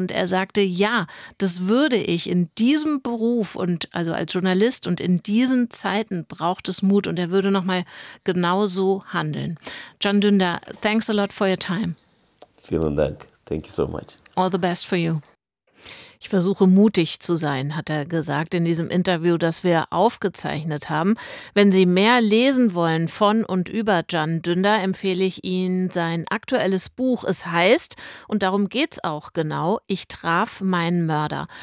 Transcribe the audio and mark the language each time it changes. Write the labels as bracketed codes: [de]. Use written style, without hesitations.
[de] Und er sagte, ja, das würde ich in diesem Beruf und also als Journalist und in diesen Zeiten braucht es Mut und er würde nochmal genauso handeln. [en] Can Dündar, thanks a lot for your time. [de] Vielen Dank. [en] Thank you so much. All the best for you. [de] Ich versuche mutig zu sein, hat er gesagt in diesem Interview, das wir aufgezeichnet haben. Wenn Sie mehr lesen wollen von und über Can Dündar, empfehle ich Ihnen sein aktuelles Buch. Es heißt, und darum geht's auch genau, Ich traf meinen Mörder.